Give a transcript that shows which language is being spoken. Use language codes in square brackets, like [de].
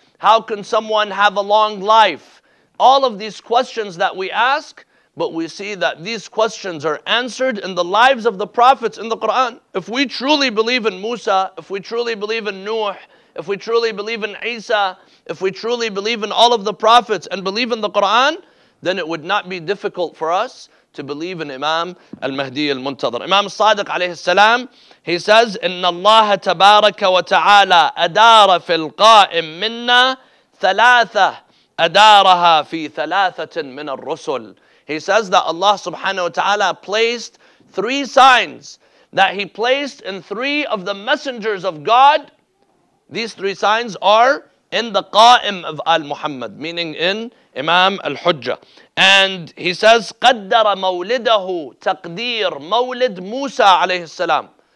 [en] How can someone have a long life? All of these questions that we ask, but we see that these questions are answered in the lives of the prophets in the Quran. If we truly believe in Musa, if we truly believe in Nuh, if we truly believe in Isa, if we truly believe in all of the prophets and believe in the Quran, then it would not be difficult for us to believe in Imam al-Mahdi al-Muntadhar. Imam Sadiq alayhi salam, he says, [ar] إِنَّ اللَّهَ تَبَارَكَ وَتَعَالَى أَدَارَ فِي الْقَائِمْ مِنَّا ثَلَاثَةٌ أَدَارَهَا فِي ثَلَاثَةٍ مِنَ الرُّسُلِ. [en] He says that Allah subhanahu wa ta'ala placed three signs, that he placed in three of the messengers of God. These three signs are in the qa'im of al-Muhammad, meaning in Imam al-Hujjah. And he says, [ar] قَدَّرَ مَوْلِدَهُ تَقْدِيرُ مَوْلِدْ مُوسَى عَلَيْهِ السَّلَامُ.